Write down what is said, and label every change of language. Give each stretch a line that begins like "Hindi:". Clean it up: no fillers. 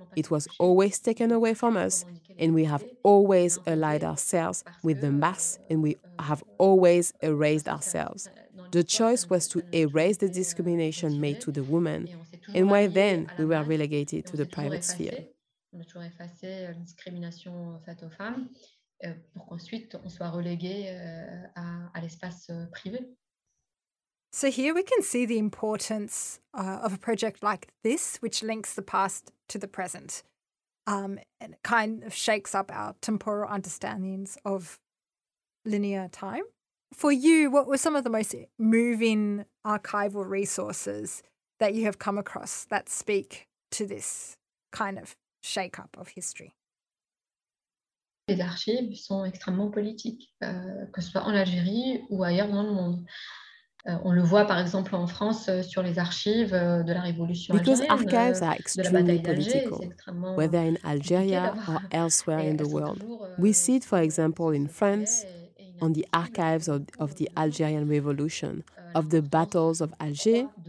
English: It was always taken away from us, and we have always allied ourselves with the mass, and we have always erased ourselves. The choice was to erase the discrimination made to the woman, and why then we were relegated to the private sphere.
French: On a toujours effacé la discrimination faite aux femmes pour qu'ensuite on soit relégué à l'espace privé.
English: So here we can see the importance of a project like this, which links the past to the present, and kind of shakes up our temporal understandings of linear time. For you, what were some of the most moving archival resources that you have come across that speak to this kind of shake up of history?
French: Les archives sont extrêmement politiques, que ce soit en Algérie ou ailleurs dans le monde. On le voit par exemple en France sur les archives de la Révolution algérienne.
English: Because archives are extremely political, whether in Algeria or elsewhere in the world. We see it, for example, in France, on the archives of the Algerian Revolution, of the battles of Alger.